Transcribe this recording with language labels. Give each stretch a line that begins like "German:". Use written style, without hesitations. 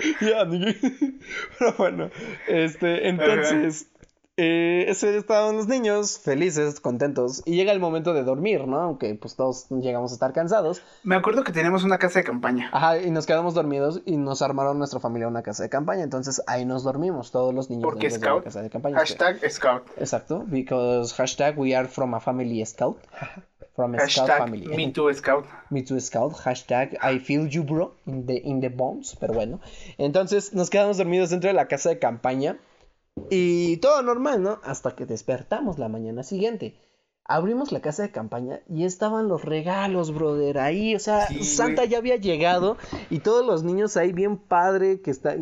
Spanish: Ya, diga. Pero bueno, entonces. Okay. Ese día estaban los niños felices, contentos, y llega el momento de dormir, ¿no? Aunque pues todos llegamos a estar cansados. Me acuerdo que teníamos una casa de campaña. Ajá, y nos quedamos dormidos y nos armaron nuestra familia una casa de campaña. Entonces ahí nos dormimos, todos los niños. Porque scout, de la casa de campaña. Hashtag que... scout. Exacto,
English: because hashtag we are from a family scout. From a hashtag scout family. Me too scout. Me too scout. Hashtag I feel you bro in the bones.
Spanish: Pero bueno, entonces nos quedamos dormidos dentro de la casa de campaña. Y todo normal, ¿no? Hasta que despertamos la mañana siguiente. Abrimos la casa de campaña y estaban los regalos, brother, ahí. O sea, sí, Santa güey. Ya había llegado y todos los niños ahí, bien padre, que está...